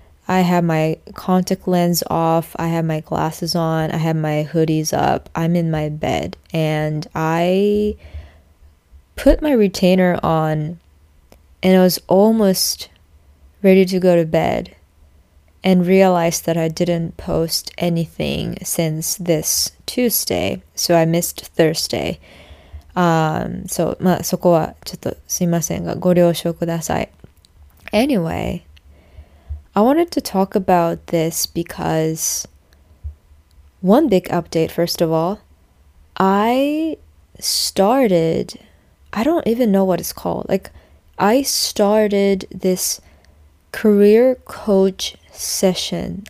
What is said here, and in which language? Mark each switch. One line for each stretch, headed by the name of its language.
English: I have my contact lens off, I have my glasses on, I have my hoodies up, I'm in my bed, and I put my retainer on and I was almost ready to go to bed and realized that I didn't post anything since this Tuesday, so I missed Thursday.
Japanese: そこはちょっとすいませんがご了承ください。
English: Anyway, I wanted to talk about this because one big update, first of all, I started, I don't even know what it's called, like I started this career coach session.